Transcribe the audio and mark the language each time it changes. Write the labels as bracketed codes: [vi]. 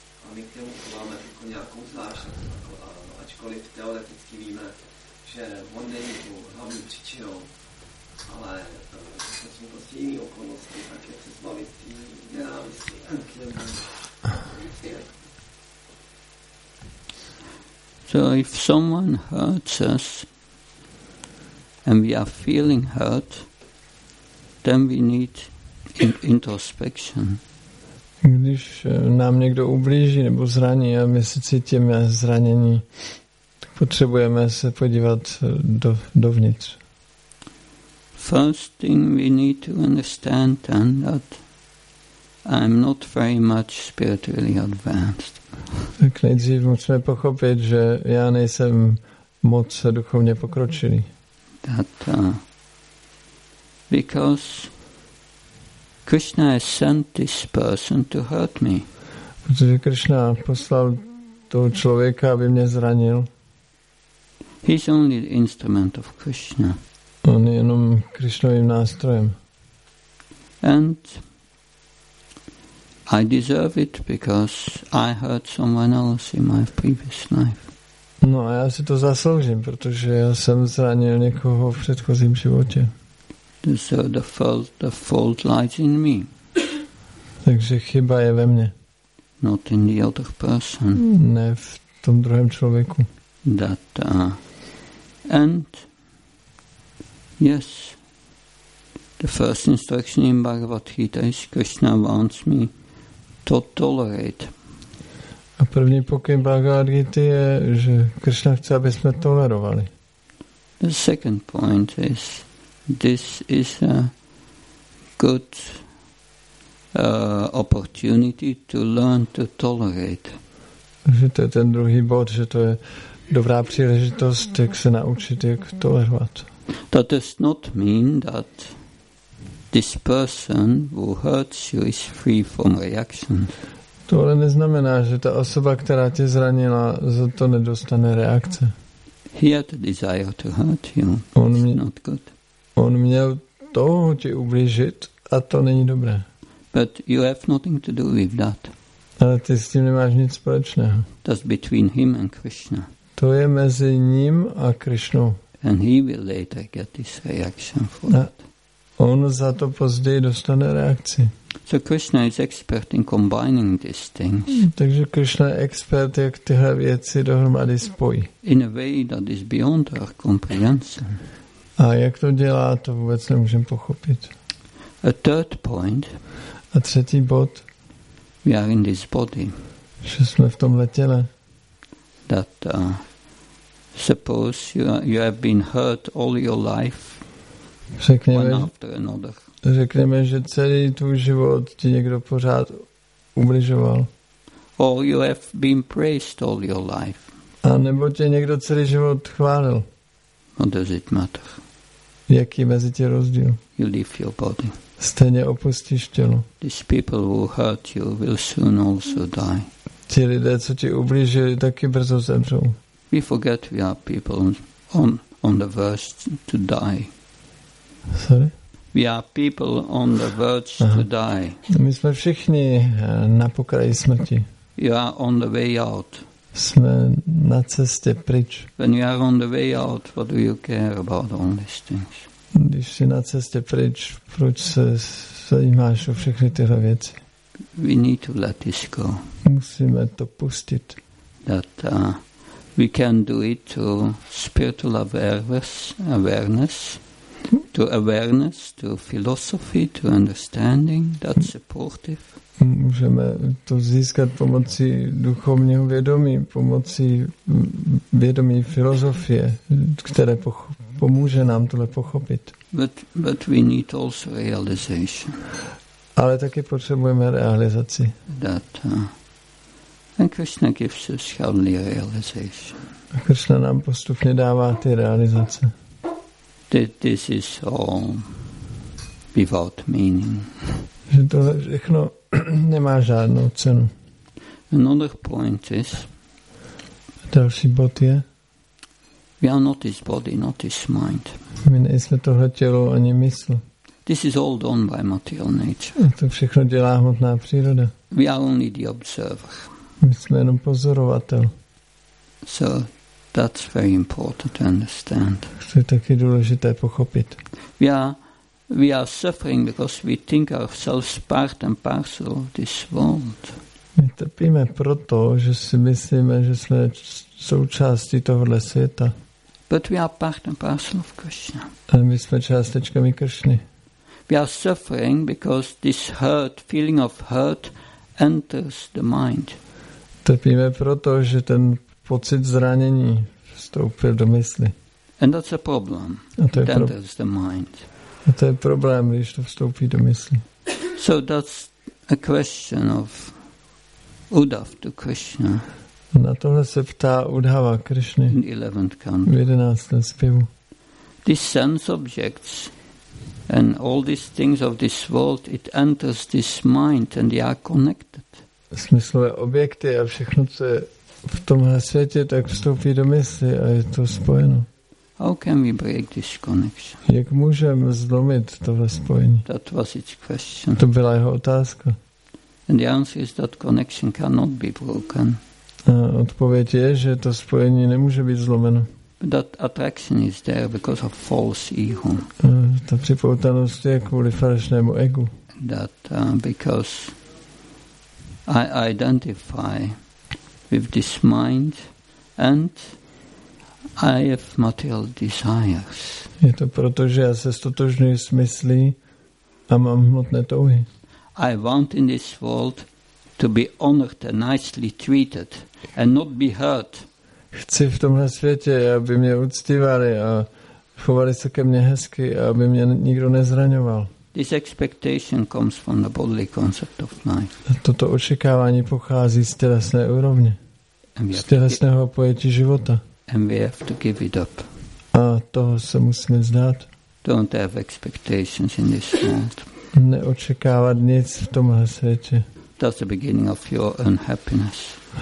[cs] A my k němu máme jako nějakou zvlášť, ačkoliv teoreticky víme, že on není tu hlavní příčinou, ale zatím prostě jiný okolnosti, tak jak se zbavit tý nenávistí. [en] So if someone hurts us and we are feeling hurt, then we need introspection. [cs] Když nám někdo ublíží nebo zraní a my se cítíme zranění, tak potřebujeme se podívat dovnitř. [en] First thing we need to understand then that I'm not very much spiritually advanced. [cs] Tak nejdřív musíme pochopit, že já nejsem moc duchovně pokročilý. [en] That, because Krishna has sent this person to hurt me. [cs] Protože Krishna poslal toho člověka, aby mě zranil. [en] He's only the instrument of Krishna. [cs] On je jenom Krishnovým nástrojem. [en] And I deserve it because I hurt someone else in my previous life. [cs] No, já si to zasloužím, protože já jsem zranil někoho v předchozím životě. [en] So the fault lies in me. [cs] Takže chyba je ve mně. [en] Not in the other person. [cs] Ne v tom druhém člověku. [en] That, and yes, the first instruction in Bhagavad Gita is Krishna wants me to tolerate. [cs] A první pokyn Bhagavad Gita je, že Krishna chce, aby jsme tolerovali. [en] The second point is, this is a good opportunity to learn to tolerate. [cs] Že to je ten druhý bod, že to je dobrá příležitost, jak se naučit, jak tolerovat. [en] That does not mean that this person who hurts you is free from reactions. [cs] To ale neznamená, že ta osoba, která tě zranila, za to nedostane reakce. [en] He had a desire to hurt you. [cs] On měl, [en] not good. [cs] On měl toho tě ublížit a to není dobré. [en] But you have nothing to do with that. [cs] Ale ty s tím nemáš nic společného. [en] That's between him and Krishna. [cs] To je mezi ním a Krishnou. [en] And he will later get this reaction for it. [cs] On za to později dostane reakci. [en] So Krishna is expert in combining these things. [cs] Takže Krishna je expert, jak tyhle věci dohromady spojí. [en] In a way that is beyond our comprehension. [cs] A jak to dělá, to vůbec nemůžeme pochopit. [en] A third point. [cs] A třetí bod. [en] We are in this body. [cs] Že jsme v tomhle těle. [en] That suppose you have been hurt all your life. [cs] Řekněme, [en] one after another. [cs] Řekněme, že celý tvůj život ti někdo pořád ubližoval. [en] Or you have been praised all your life. [cs] A nebo tě někdo celý život chválil. [en] What does it matter? [cs] Jaký mezi tě rozdíl? [en] You leave your body. [cs] Stejně opustíš tělo. [en] These people who hurt you will soon also die. [cs] Ti lidé, co ti ublížili, taky brzo zemřou. [en] We forget we are people on the verge to die. Sorry? We are people on the verge to die. [cs] My jsme všichni na pokraji smrti. [en] You are on the way out. [cs] Jsme na cestě pryč. [en] When you are on the way out, what do you care about all these things? [cs] Když jsi na cestě pryč, proč se zajímáš o všechny tyhle věci? [en] We need to let this go. [cs] Musíme to pustit. [en] That we can do it to spiritual awareness. To awareness, to philosophy, to understanding, that's supportive. [cs] Můžeme to získat pomocí duchovního vědomí, pomocí vědomí filozofie, které pomůže nám tohle pochopit. [en] But we need also realization. [cs] Ale taky potřebujeme realizaci. [en] That, and Krishna gives us only realization. [cs] A Krishna nám postupně dává ty realizace. [en] This is all without meaning. [cs] Že tohle všechno nemá žádnou cenu. [en] Another point is, [cs] další bod je, [en] we are not this body, not this mind. [cs] My nejsme tohle tělo ani mysl. [en] This is all done by material nature. [cs] A to všechno dělá hmotná příroda. [en] We are only the observer. [cs] My jsme jenom pozorovatel. [en] So, that's very important to understand. [cs] To je taky důležité pochopit. [en] We are suffering because we think ourselves part and parcel of this world. [cs] My trpíme proto, že si myslíme, že jsme součástí tohohle světa. [en] But we are part and parcel of Krishna. [cs] Ale my jsme částečkami Krishny. [en] We are suffering because this hurt, feeling of hurt, enters the mind. [cs] Trpíme proto, že ten pocit zranění vstoupil do mysli. [en] And that's a problem. Enters the mind. [cs] A to je problém, když to vstoupí do mysli. [en] So that's a question of Uddhava to Krishna. [cs] Na tohle se ptá Uddhava Krishna. [en] In 11th canto. [cs] V 11. zpěvu. [en] These sense objects and all these things of this world, it enters this mind and they are connected. [cs] Smyslové objekty a všechno, co je v tomhle světě, tak vstoupí do mysli a je to spojeno. [en] How can we break this connection? [cs] Jak můžeme zlomit tohle spojení? [en] That was its question. [cs] To byla jeho otázka. [en] And the answer is that connection cannot be broken. [cs] Odpověď je, že to spojení nemůže být zlomeno. [en] That attraction is there because of false ego. [cs] Ta připoutanost je kvůli falešnému egu. [en] That because I identify with this mind and I have material desires. [cs] Je to proto, že já se stotožňuji s myslí a mám hmotné touhy. [en] I want in this world to be honored and nicely treated and not be hurt. [cs] Chci v tomhle světě, aby mě uctívali a chovali se ke mně hezky a aby mě nikdo nezraňoval. [en] This expectation comes from the bodily concept of life. [cs] Toto očekávání pochází z tělesné úrovně, z tělesného pojetí života. [en] And we have to give it up. [cs] A toho se musíme vzdát. [en] Don't have expectations in this world. [cs] Neočekávat nic v tomhle světě. [en] That's the beginning of your unhappiness.